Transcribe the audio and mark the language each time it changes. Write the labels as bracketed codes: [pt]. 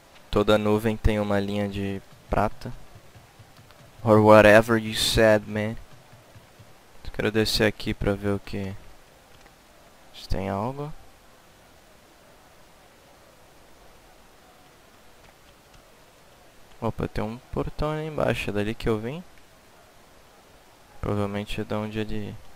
[pt] Toda nuvem tem uma linha de prata. [en] Or whatever you said, man. [pt] Quero descer aqui pra ver o que... Se tem algo. Opa, tem um portão ali embaixo, é dali que eu vim. Provavelmente é da onde ele...